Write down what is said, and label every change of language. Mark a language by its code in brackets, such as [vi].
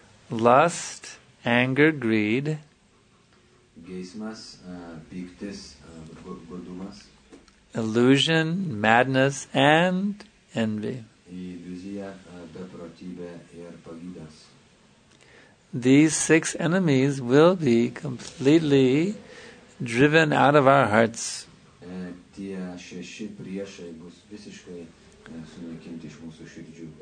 [en] Lust, anger, greed. [lt] Geismas, pyktis, godumas. [en] Illusion, madness and envy. [lt] Iliuzija, beprotybė ir pavydas. [en] These six enemies will be completely driven out of our hearts. [lt] Tie šeši priešai bus visiškai sunaikinti iš mūsų širdžių.